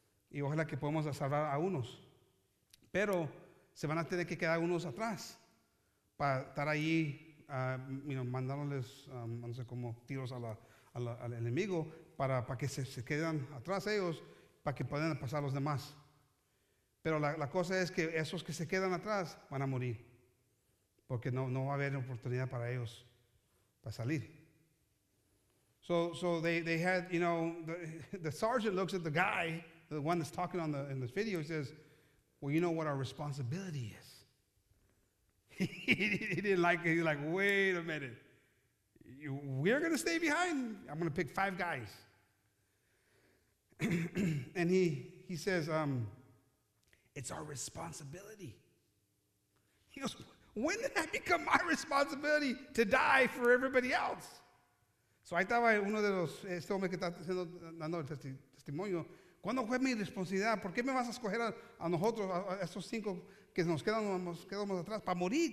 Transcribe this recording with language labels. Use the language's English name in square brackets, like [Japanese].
[Spanish] Y ojalá que podamos salvar a unos. Pero se van a tener que quedar unos atrás para estar ahí mandándoles, no sé cómo, tiros al enemigo para que se quedan atrás ellos, para que puedan pasar los demás. Pero la cosa es que esos que se quedan atrás van a morir porque no va a haber oportunidad para ellos para salir. [English] So they had, you know, the sergeant looks at the guy, the one that's talking in this video, he says, well, you know what our responsibility is. He didn't like it. He's like, wait a minute. We're going to stay behind. I'm going to pick five guys. And he says, it's our responsibility. He goes, when did that become my responsibility to die for everybody else? [Spanish] So ahí estaba uno de los, este hombre que está dando el testimonio. ¿Cuándo fue mi responsabilidad? ¿Por qué me vas a escoger a nosotros, a estos cinco que nos quedamos atrás para morir?